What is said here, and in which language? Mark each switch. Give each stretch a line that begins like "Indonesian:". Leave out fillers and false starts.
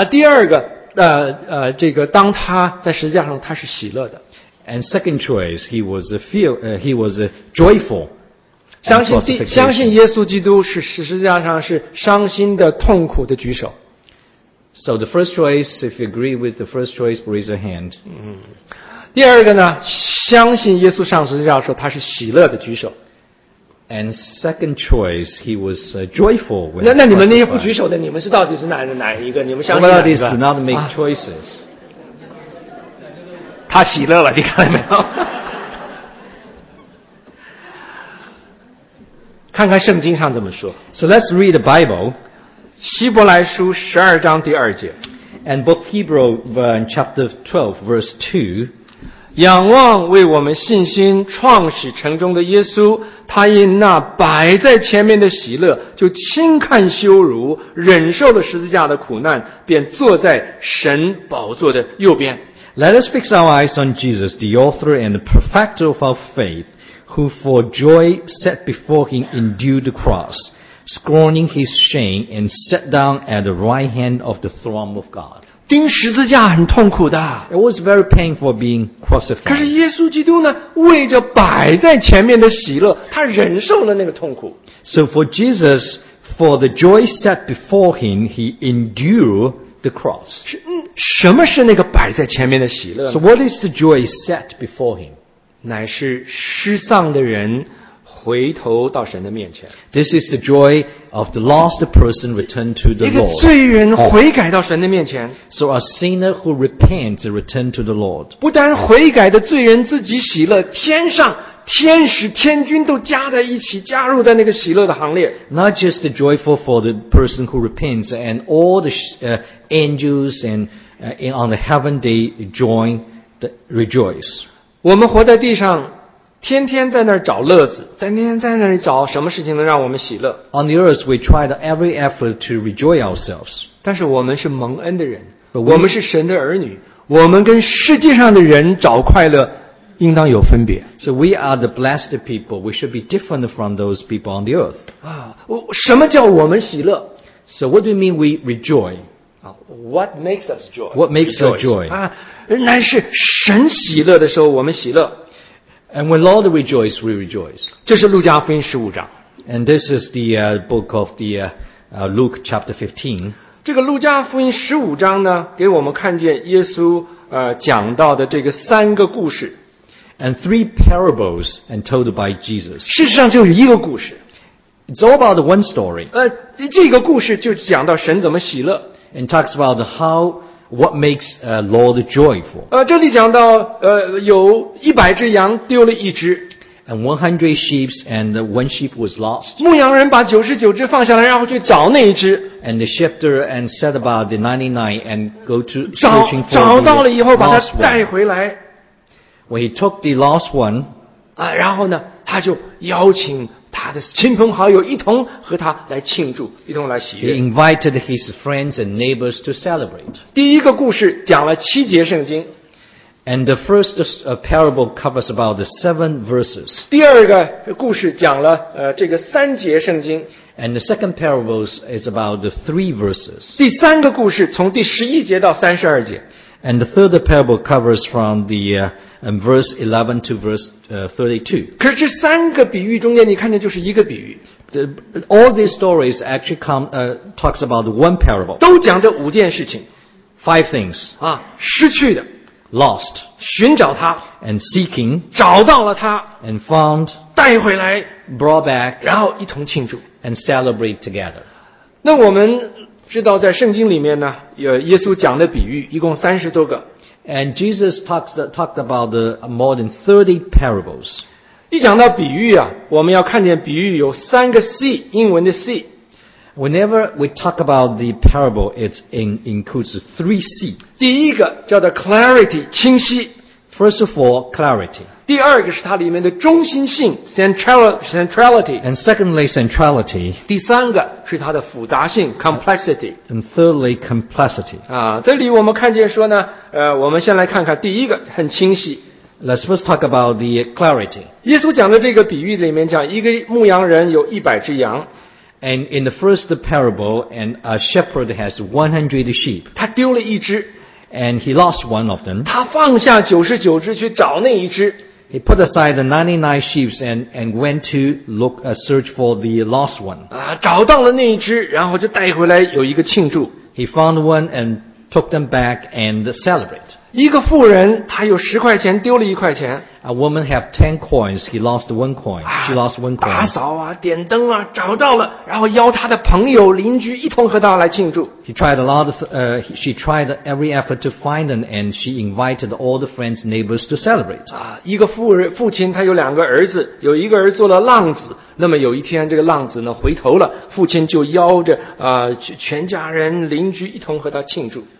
Chinese: 第二个这个当他在十字架上他是喜乐的
English: And second choice, he was joyful
Chinese: 相信耶稣基督是十字架上是伤心的痛苦的举手
English: So the first choice, if you agree with the first choice, raise your hand.
Chinese: 第二个呢，相信耶稣上十字架的时候他是喜乐的举手。
English: And second choice, he was joyful when
Chinese: 那你们那些不举手的，你们是到底是哪一个？你们相信哪一个
English: ？Do not make choices.
Chinese: 他喜乐了，你看到没有？看看圣经上怎么说。
English: So let's read the Bible.
Chinese: 希伯来书十二章第二节
English: And book Hebrew chapter 12 verse 2
Chinese: 仰望为我们信心创始成终的耶稣他因那摆在前面的喜乐就轻看羞辱忍受了十字架的苦难便坐在神宝座的右边
English: Let us fix our eyes on Jesus the author and the perfecter of our faith who for joy set before him endured the crossScorning his shame and sat down at the right hand of the throne of God.
Chinese: 钉十字架很痛苦的。
English: It was very painful being crucified.
Chinese: 可是耶稣基督呢，为着摆在前面的喜乐，他忍受了那个痛苦。
English: So for Jesus, for the joy set before him, he endured the cross.
Chinese: 什么是那个摆在前面的喜乐呢？
English: So what is the joy set before him?
Chinese: 乃是失丧的人回头到神的面前。
English: This is the joy of the lost person returned to the Lord.
Chinese: 一个罪人悔改到神的面前。
English: So a sinner who repents returned to the Lord.
Chinese: 不单悔改的罪人自己喜乐，天上天使天君都加在一起，加入在那个喜乐的行列。
English: Not just the joyful for the person who repents, and all the angels and on the heaven they join the rejoice.
Chinese: 我们活在地上。天天在那儿找乐子，在天天在那里找什么事情能让我们喜乐。
English: On the earth, we tried every effort to enjoy ourselves.
Chinese: 但是我们是蒙恩的人，我们是神的儿女，我们跟世界上的人找快乐，应当有分别。
English: So we are the blessed people. We should be different from those people on the earth.
Chinese: 什么叫我们喜乐
English: ？So what do you mean we rejoice? What makes us joy? What makes us joy?
Chinese: 乃是神喜乐的时候，我们喜乐。
English: And when Lord rejoice, we rejoice.
Chinese: 这是路加福音十五章。
English: And this is the book of the Luke chapter 15.
Chinese: 这个路加福音十五章呢，给我们看见耶稣讲到的这个三个故事。
English: And three parables and told by Jesus.
Chinese: 事实上就是一个故事。
English: It's all about one story.
Chinese: 这个故事就讲到神怎么喜乐。
English: And talks about how. What makes a Lord joyful?
Chinese: 这里讲到有一百只羊丢了一只。
English: And 100 sheep and one sheep was lost.
Chinese: 牧羊人把99只放下来然后去找那一只。
English: And the shepherd and set about the 99 and go to searching for the lost one.
Chinese: 找到了以后把它带回来。
English: When he took the lost one,
Chinese: 然后呢他就邀请他他的亲朋好友一同和他来庆祝，一同来喜悦。
English: He invited his friends and neighbors to celebrate.
Chinese: 第一个故事讲了七节圣经。
English: And the first parable covers about the seven verses.
Chinese: 第二个故事讲了这个三节圣经。
English: And the second parable is about the three verses.
Chinese: 第三个故事从第十一节到三十二节。
English: And the third parable covers from the verse 11 to verse 32.
Chinese: 可是这三个比喻中间你看见就是一个比喻。
English: All these stories actually come, talks about one parable.
Chinese: 都讲这五件事情。
English: Five things.
Chinese: 啊，失去的。
English: Lost.
Chinese: 寻找他。
English: And seeking.
Chinese: 找到了他。
English: And found.
Chinese: 带回来。
English: Brought back.
Chinese: 然后一同庆祝。
English: And celebrate together.
Chinese: 那我们知道在圣经里面呢，耶稣讲的比喻一共三十多个。
English: And Jesus talked about the more than 30 parables.
Chinese: 一讲到比喻啊，我们要看见比喻有三个 C， 英文的 C。
English: Whenever we talk about the parable, it includes three C.
Chinese: 第一个叫做 clarity， 清晰。
English: First of all, clarity.
Chinese: 第二个是它里面的中心性 centrality.
English: And secondly, centrality.
Chinese: 第三个是它的复杂性 complexity.
English: And thirdly, complexity.
Chinese: 啊，这里我们看见说呢，我们先来看看第一个很清晰。
English: Let's first talk about the clarity.
Chinese: 耶稣讲的这个比喻里面讲，一个牧羊人有一百只羊。
English: And in the first parable, and a shepherd has 100 sheep.
Chinese: 他丢了一只。
English: And he lost one of them.
Chinese: 他放下99只去找那一只。
English: He put aside the 99 sheep and went to look, search for the lost one.
Chinese: 啊，找到了那一只，然后就带回来有一个庆祝。
English: He found one and took them back and celebrate.
Chinese: 一个富人，他有十块钱，丢了一块钱。
English: A woman have 10 coins, he lost one coin. 啊、 She lost one coin.
Chinese: 打扫啊，点灯啊，找到了，然后邀他的朋友、邻居一同和他来庆祝。
English: He tried a lot of, she tried every effort to find them and she invited all the friends, neighbors to celebrate.
Chinese: 啊，一个父亲他有两个儿子，有一个儿子做了浪子，那么有一天这个浪子呢回头了，父亲就邀着全家人、邻居一同和他庆祝。